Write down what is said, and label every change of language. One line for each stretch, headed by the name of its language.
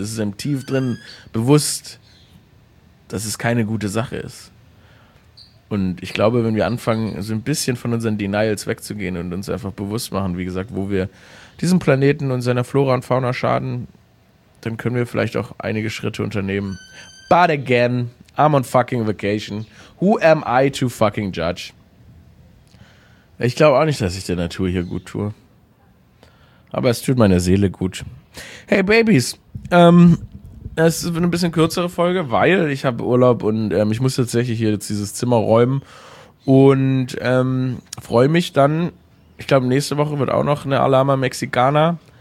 German: Es ist einem tief drinnen bewusst, dass es keine gute Sache ist. Und ich glaube, wenn wir anfangen, so ein bisschen von unseren Denials wegzugehen und uns einfach bewusst machen, wie gesagt, wo wir diesem Planeten und seiner Flora und Fauna schaden, dann können wir vielleicht auch einige Schritte unternehmen.
English: But again, I'm on fucking vacation. Who am I to fucking judge?
German: Ich glaube auch nicht, dass ich der Natur hier gut tue. Aber es tut meiner Seele gut. Hey Babys, es ist eine bisschen kürzere Folge, weil ich habe Urlaub und ich muss tatsächlich hier jetzt dieses Zimmer räumen. Und freue mich dann, ich glaube nächste Woche wird auch noch eine Alarma Mexicana.